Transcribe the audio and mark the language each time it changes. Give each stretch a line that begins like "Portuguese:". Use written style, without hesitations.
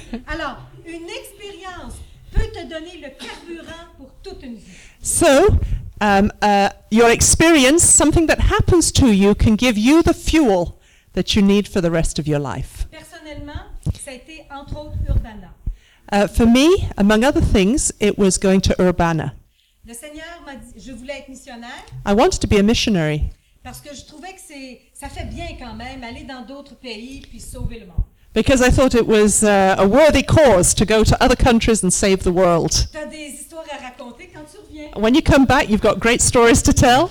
French: Alors, une expérience peut te donner le carburant pour toute une vie.
English: So, your experience, something that happens to you, can give you the fuel that you need for the rest of your life.
French: Personnellement, ça a été entre autres Urbana.
English: For me, among other things, it was going to Urbana.
French: Le Seigneur m'a dit, je voulais être missionnaire.
English: I wanted to be a missionary.
French: Parce que je trouvais que c'est, ça fait bien quand même, aller dans d'autres pays puis sauver le monde.
English: Because I thought it was a worthy cause to go to other countries and save the world.
French: T'as des histoires à raconter quand tu reviens.
English: When you come back, you've got great stories to tell.